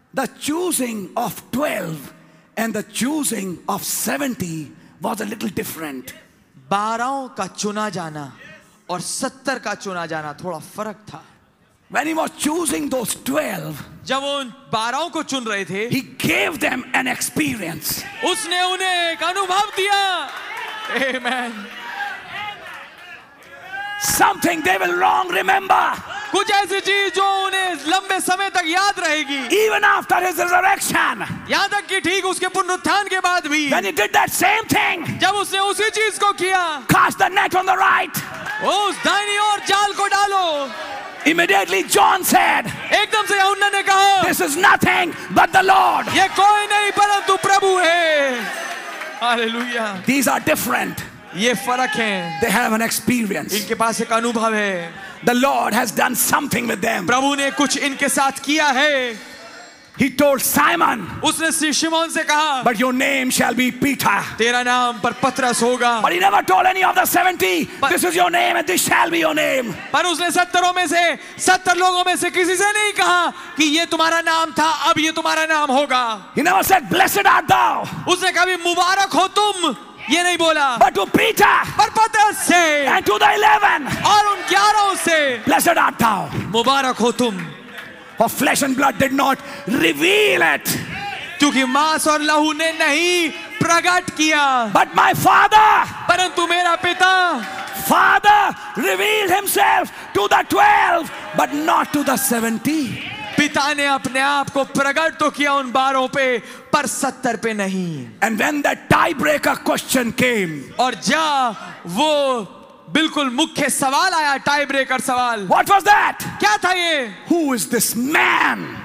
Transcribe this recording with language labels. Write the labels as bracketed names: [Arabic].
[English] The choosing of 12 and the choosing of 70 was a little different. [Hindi] 12 का चुना जाना और 70 का चुना जाना थोड़ा फर्क था। [English] When he was choosing those 12, [Hindi] जब वो 12 को चुन रहे थे, [English] he gave them an experience. [Hindi] उसने उन्हें एक अनुभव दिया। [English] Amen. Something they will long remember. [Hindi] कुछ ऐसी चीज जो उन्हें लंबे समय तक याद रहेगी। [English] Even after his resurrection, [Hindi] याद तक कि ठीक उसके पुनरुत्थान के बाद भी। [English] When he did that same thing, [Hindi] जब उसने उसी चीज को किया। [English] Cast the net on the right. [Hindi] उस दाहिनी ओर जाल को डालो। [English] Immediately John said, [Hindi] एकदम से यहूदा ने कहा, [English] this is nothing but the Lord. [Hindi] ये कोई नहीं परंतु प्रभु है। [English] Hallelujah. These are different. [Hindi] ये फरक हैं। [English] They have an experience. [Hindi] इनके पास एक अनुभव है। [English] The Lord has done something with them. [Hindi] प्रभु ने कुछ इनके साथ किया है। [English] He told Simon, [Hindi] उसने शिमोन से कहा, [English] but your name shall be Peter. [Hindi] तेरा नाम पर पत्रस होगा. [English] But he never told any of the 70, this is your name and this shall be your name. [Hindi] पर उसने 70 में से 70 लोगों में से किसी से नहीं कहा कि ये तुम्हारा नाम था, अब ये तुम्हारा नाम होगा. [English] He never said blessed art thou. [Hindi] उसने कभी मुबारक हो तुम ये नहीं बोला. [English] But to Peter, [Hindi] पर पत्रस से, [English] and to the 11, [Hindi] और उन 11 से, [English] blessed art thou. [Hindi] मुबारक हो तुम. [English] Of flesh and blood did not reveal it. [Hindi] क्योंकि मांस और लहू ने नहीं प्रकट किया. [English] But my father. [Hindi] परंतु मेरा पिता. [English] Father revealed himself to the 12, but not to the 70. [Hindi] पिता ने अपने आप को प्रकट तो किया उन बारों पे, पर 70 पे नहीं. [English] And when the tiebreaker question came. [Hindi] और जा वो बिल्कुल मुख्य सवाल आया, टाई ब्रेकर सवाल. [English] What was that? [Hindi] क्या था ये? [English] Who is this man?